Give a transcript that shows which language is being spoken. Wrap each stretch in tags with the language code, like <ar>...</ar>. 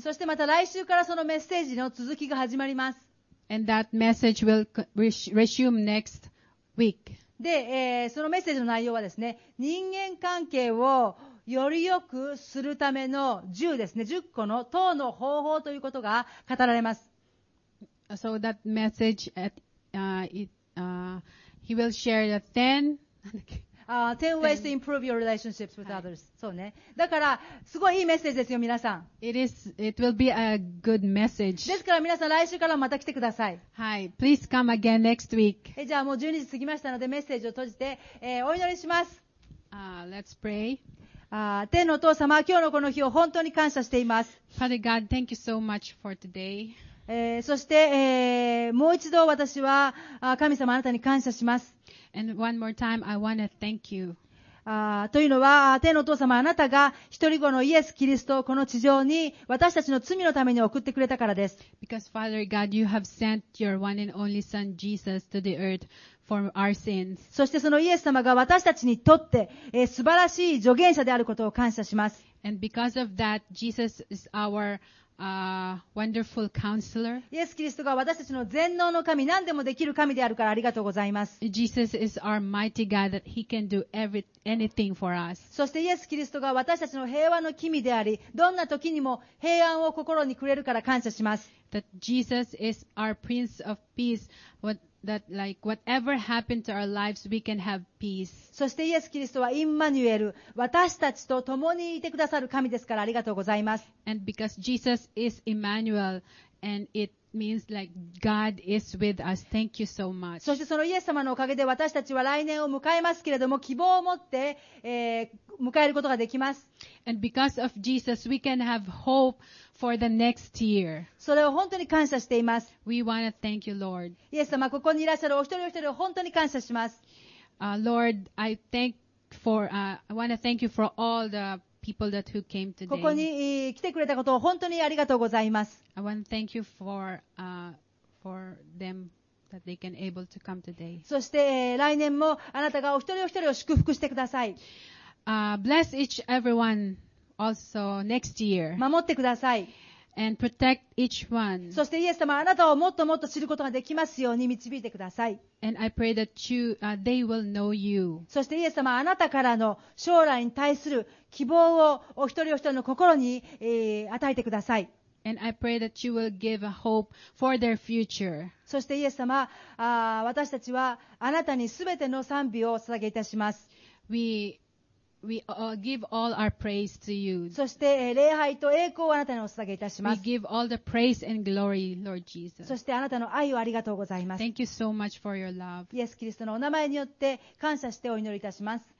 <ja>そしてまた来週からそのメッセージの続きが始まります。</ja> <en>And that message will resume next week.</en> <ja>で、そのメッセージの内容はですね、人間関係をより良くするための10ですね、10個の10の方法ということが語られます。</ja> <en>So that message, at, he will share the 10. 10 ways to improve your relationships with others.、</en> <ja>はい、そうね。だから、すごいいいメッセージですよ、皆さん。</ja> <en>It will be a good message.</en> <ja>ですから、皆さん、来週からまた来てください。</ja> <en>はい。Please come again next week.</en> <ja>じゃあ、もう12時過ぎましたので、メッセージを閉じて、お祈りします。</ja> <en>Let's pray.</en> <ja>天のお父様、今日のこの日を本当に感謝しています。</ja> <en>Father God, thank you so much for today.</en> <ja>そして、もう一度私は神様あなたに感謝します。</ja> <en>And one more time, I want to thank you.</en> <ja>というのは天のお父様あなたが一人子のイエス・キリストをこの地上に私たちの罪のために送ってくれたからです。</ja> <en>Because Father God, you have sent your one and only Son Jesus to the earth for our sins.</en> <ja>そしてそのイエス様が私たちにとって、素晴らしい助言者であることを感謝します。</ja> <en>And because of that, Jesus is our wonderful counselor.</en> <ja>イエス・キリストが私たちの全能の神、何でもできる神であるからありがとうございます。</ja> <en>Jesus is our mighty God that He can do anything for us.</en> <ja>そしてイエス・キリストが私たちの平和の君であり、どんな時にも平安を心にくれるから感謝します。</ja> <en>That Jesus is our Prince of Peace. That like whatever happened to our lives, we can have peace.</en> <ja>そしてイエス・キリストはインマニュエル、私たちと共にいてくださる神ですからありがとうございます。</ja> <en>And because Jesus is Emmanuel, and it means like God is with us. Thank you so much.</en> <ja>そしてそのイエス様のおかげで私たちは来年を迎えますけれども、希望を持って、迎えることができます。</ja> <en>And because of Jesus, we can have hope. For the next year.</en> <ja>それを本当に感謝しています。</ja> <en>We want to thank you, Lord.</en> <ja>イエス様、ここにいらっしゃるお一人お一人を本当に感謝します。</ja> <en>Lord, I want to thank you for all the people that who came today.</en> <ja>ここに来てくれたことを本当にありがとうございます。</ja> <en>I want to thank you for them that they can able to come today.</en> <ja>そして、来年もあなたがお一人お一人を祝福してください。</ja> <en>Bless each everyone. Also next year.</en> <ja>守ってください。</ja> <en>and protect each one.</en> <ja>そしてイエス様、あなたをもっともっと知ることができますように導いてください。</ja> <en>And I pray that you, they will know you.</en> <ja>そしてイエス様、あなたからの将来に対する希望をお一人お一人の心に、与えてください。</ja> <en>And I pray that you will give a hope for their future.</en> <ja>そしてイエス様、私たちはあなたにすべての賛美を捧げいたします。</ja> <en>We give all our praise to you.</en> <ja>そして礼拝と栄光をあなたにお捧げいたします。</ja> <en>We give all the praise and glory, Lord Jesus.</en> <ja>そしてあなたの愛をありがとうございます。</ja> <en>Thank you so much for your love.</en> <ja>イエス・キリストのお名前によって感謝してお祈りいたします。</ja>